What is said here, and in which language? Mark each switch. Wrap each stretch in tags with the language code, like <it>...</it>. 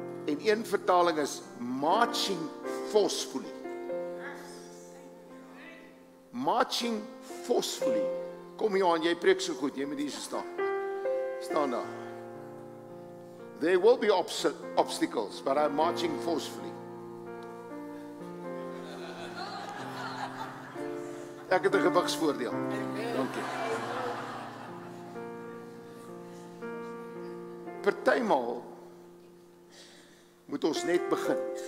<af>En een vertaling is</af> <en>marching forcefully. Marching forcefully.</en> <af>Kom Johan, jy preek so goed, jy moet hier staan. Staan daar.</af> <en>There will be obstacles, but I'm marching forcefully.</en> <af>Ek het 'n gewigsvoordeel. Dankie. Partymaal moet ons net begin.</af>